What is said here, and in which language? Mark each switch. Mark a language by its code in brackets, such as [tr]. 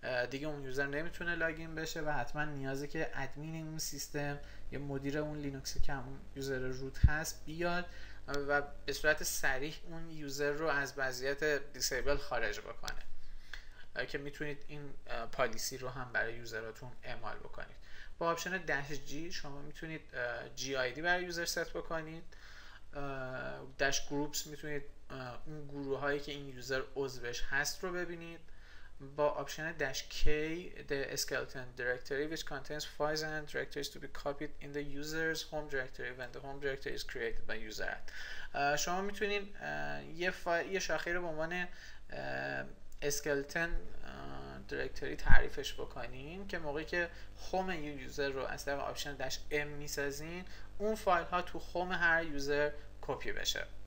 [fa] دیگه اون یوزر نمیتونه لاگین بشه و حتما نیازه که ادمین اون سیستم یا مدیر اون لینوکس که اون یوزر روت هست بیاد و به صورت صریح اون یوزر رو از وضعیت دیسیبل خارج بکنه، که میتونید این پالیسی رو هم برای یوزراتون اعمال بکنید. با آپشن داش جی شما میتونید جی آی دی برای یوزر ست بکنید، داش گروپس میتونید اون گروه هایی که این یوزر عضوش هست رو ببینید. با آپشن داش کی [en] the skeleton directory which contains files and directories to be copied in the user's home directory when the home directory is created by user. [fa] شما میتونید یه شاخه رو به عنوان skeleton directory تعریفش بکنین که موقعی که هوم یوزر رو از طریق آپشن داش ام میسازین، اون فایل ها تو هوم هر یوزر کپی بشه.